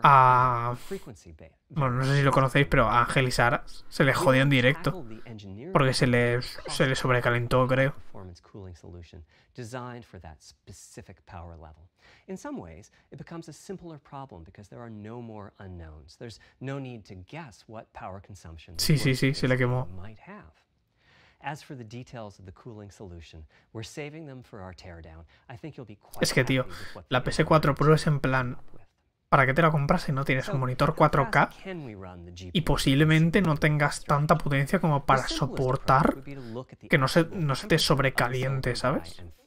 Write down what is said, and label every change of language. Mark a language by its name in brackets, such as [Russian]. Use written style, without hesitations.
[Spanish] Bueno, no sé si lo conocéis, pero a Ángel y Sara se le jodió en directo porque se le sobrecalentó, creo. [English] Performance cooling solution designed for that specific power level. In some ways, it becomes a simpler problem because there are no more unknowns. There's no need to guess what power consumption. [Spanish] Sí, se le quemó. [English] As for the details of the cooling solution, we're saving them for our teardown. I think you'll be quite... [Spanish] Es que, tío, la PS4 Pro es en plan, ¿para qué te la compras si no tienes un monitor 4K? Y posiblemente no tengas tanta potencia como para soportar que no se te sobrecaliente, ¿sabes?